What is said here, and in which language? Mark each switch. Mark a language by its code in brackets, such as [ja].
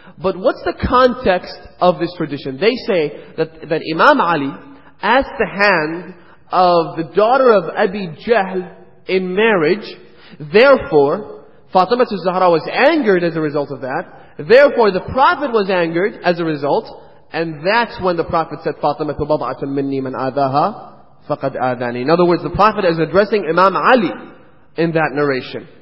[en] But what's the context of this tradition? They say that Imam Ali asked the hand of the daughter of Abi Jahl in marriage. Therefore, Fatima al-Zahra was angered as a result of that. Therefore, the Prophet was angered as a result. And that's when the Prophet said, [ar] فَاطِمَةُ بَضْعَةٌ مِنِّي مَنْ آذَاهَا فَقَدْ آذَانِي. [en] In other words, the Prophet is addressing Imam Ali in that narration.